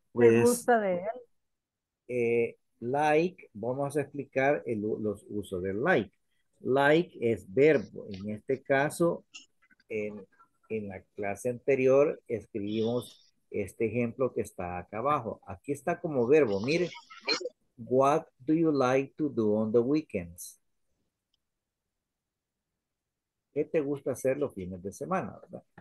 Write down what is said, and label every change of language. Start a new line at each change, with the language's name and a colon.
Spanish: ¿te gusta de él? Like, vamos a explicar los usos del like. Like es verbo. En este caso, en la clase anterior, escribimos este ejemplo que está acá abajo. Aquí está como verbo. Mire,
English: what do you like to do on the weekends?
Spanish: ¿Qué te gusta hacer los fines de semana, verdad?